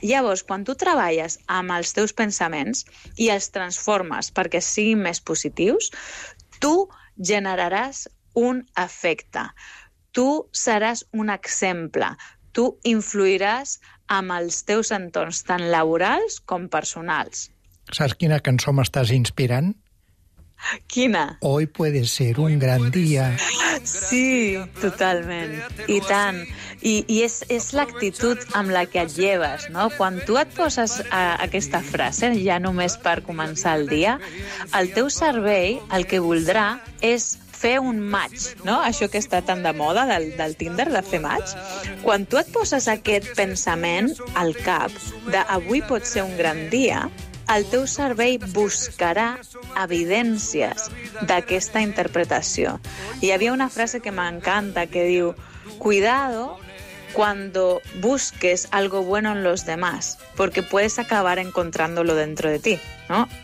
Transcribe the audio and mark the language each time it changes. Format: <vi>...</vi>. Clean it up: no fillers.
<ca>Llavors, quan tu treballes amb els teus pensaments i els transformes perquè siguin més positius, tu generaràs un efecte. Tu seràs un exemple. Tu influiràs amb els teus entorns, tant laborals com personals. Saps quina cançó m'estàs inspirant? Quina?</ca> <es>Hoy puede ser un gran día.</es> <ca>Sí, totalment. I tant. I és l'actitud amb la que et lleves, no? Quan tu et poses aquesta frase, ja només per començar el dia, el teu cervell el que voldrà és fer un match, no? Això que està tan de moda del Tinder, de fer match. Quan tu et poses aquest pensament al cap d'avui pot ser un gran dia, el teu cervell buscarà evidències d'aquesta interpretació. Hi havia una frase que m'encanta que diu:</ca> <es>cuidado cuando busques algo bueno en los demás, porque puedes acabar encontrándolo dentro de ti, no?</es>